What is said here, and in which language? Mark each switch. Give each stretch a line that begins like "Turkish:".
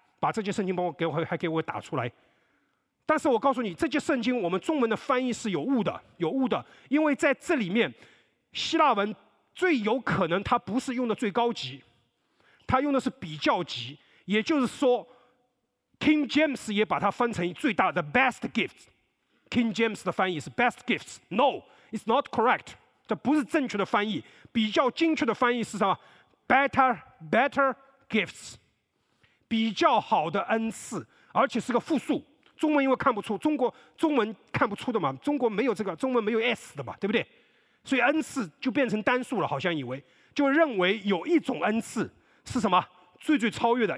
Chinese: 把这节圣经帮我给我还给我打出来。但是我告诉你，这节圣经我们中文的翻译是有误的，有误的。因为在这里面希腊文最有可能它不是用的最高级，它用的是比较级，也就是说 King James 也把它翻成最大的
English: best gift。
Chinese: King James 的翻译是
English: best gifts， No， it's not correct，
Chinese: 这不是正确的翻译。比较精确的翻译是什么？
English: better gifts，
Chinese: 比较好的恩赐，而且是个复数。中文因为看不出，中国中文看不出的嘛，中国没有这个，中文没有 S 的嘛，对不对？所以恩赐就变成单数了，好像以为就认为有一种恩赐是什么最最超越的。